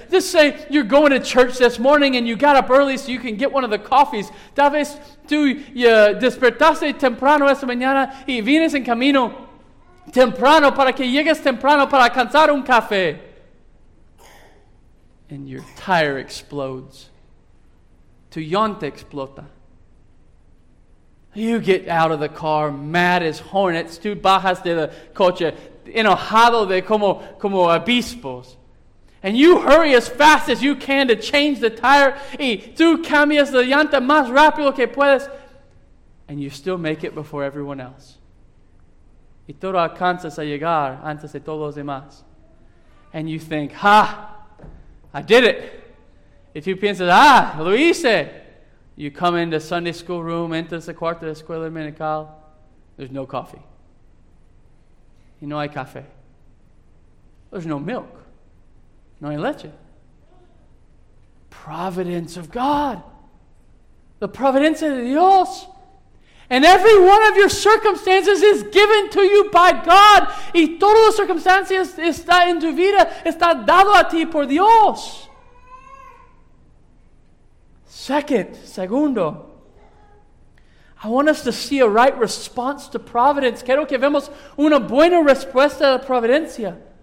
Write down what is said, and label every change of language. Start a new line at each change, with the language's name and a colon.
English: Just say you're going to church this morning and you got up early so you can get one of the coffees.
Spanish: Tal vez tú despertaste temprano esta mañana y vienes en camino temprano para que llegues temprano para alcanzar un café.
English: And your tire explodes.
Spanish: Tu llanta explota.
English: You get out of the car mad as hornets.
Spanish: Tú bajas de la coche enojado de como obispos.
English: And you hurry as fast as you can to change the tire.
Spanish: Y tú cambias la llanta más rápido que puedes.
English: And you still make it before everyone else.
Spanish: Y todo alcanzas a llegar antes de todos los demás.
English: And you think, ha, I did it.
Spanish: Y tú piensas, lo hice.
English: You come into Sunday school room,
Spanish: entras el cuarto de escuela dominical,
English: there's no coffee.
Spanish: Y no hay café.
English: There's no milk.
Spanish: No hay leche.
English: Providence of God. The providence of Dios. And every one of your circumstances is given to you by God.
Spanish: Y todas las circunstancias está en tu vida está dado a ti por Dios.
English: Segundo, I want us to see a right response to providence.
Spanish: Quiero que vemos una buena respuesta a la providencia.